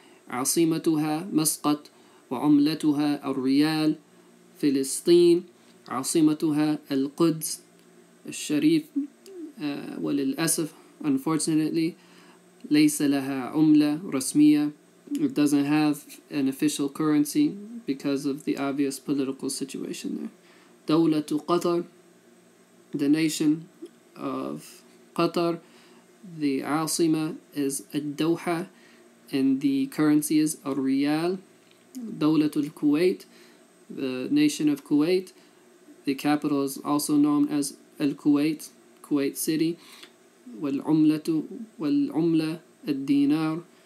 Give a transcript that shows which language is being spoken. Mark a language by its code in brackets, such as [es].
[ar] عاصمتها مسقط وعملتها الريال فلسطين عاصمتها القدس الشريف وللأسف [en] unfortunately [ar] ليس لها عملة رسمية. [en] It doesn't have an official currency because of the obvious political situation there. [ar] دولة قطر, [en] the nation of Qatar, the عاصمة is الدوحة and the currency is الريال. [ar] دولة الكويت, [en] the nation of Kuwait, the capital is also known as الكويت, Kuwait City. [ar] والعملة, والعملة الدينار.